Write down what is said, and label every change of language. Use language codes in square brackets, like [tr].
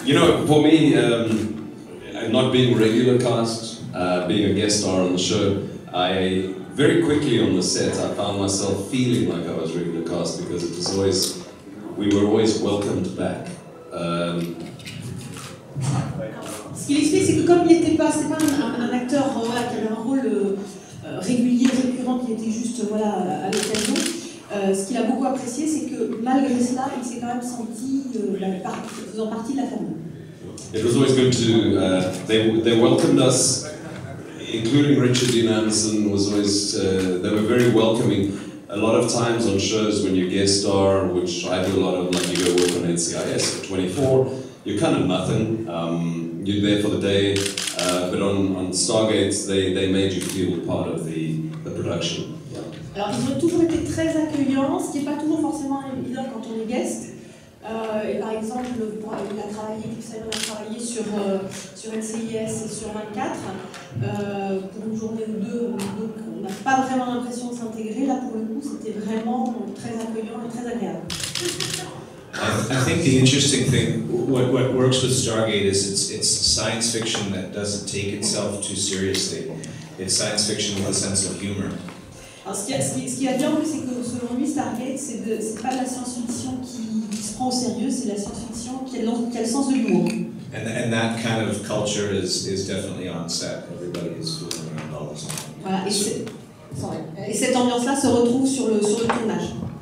[en] You know, for me, not being regular cast, being a guest star on the show, I very quickly on the set I found myself feeling like I was regular cast because it was always we were always welcomed back. [fr] Ce qu'il explique, c'est que comme il n'était pas, c'était pas un acteur qui avait un rôle régulier, récurrent, qui était juste voilà, à l'occasion, ce qu'il a beaucoup apprécié, c'est que malgré cela, il s'est quand même senti faisant partie de la famille. [en] It was always good to. They welcomed us, including Richard Dean Anderson, was always. They were very welcoming. A lot of times on shows when you guest star, which I do a lot of, like you go work on NCIS 24. You're kind of nothing. You're there for the day, but on Stargate, they made you feel part of the production. Yeah. [fr] Alors ils ont toujours été très accueillants, ce qui est pas toujours forcément évident quand on est guest. Par exemple, Simon a travaillé sur NCIS et sur 24 pour une journée ou deux. Donc on n'a pas vraiment l'impression de s'intégrer. Là, pour le coup, c'était vraiment très accueillant et très agréable. [en] I think the interesting thing, what works with Stargate is it's science fiction that doesn't take itself too seriously. It's science fiction with a sense of humor. [fr] Alors ce qui est bien, c'est que selon lui, Stargate, c'est pas la science-fiction qui se prend au sérieux, c'est la science-fiction qui a le sens de l'humour. [en] And that kind of culture is definitely on set. Everybody is fooling around all the time. [fr] Voilà, et cette ambiance-là se retrouve sur le tournage.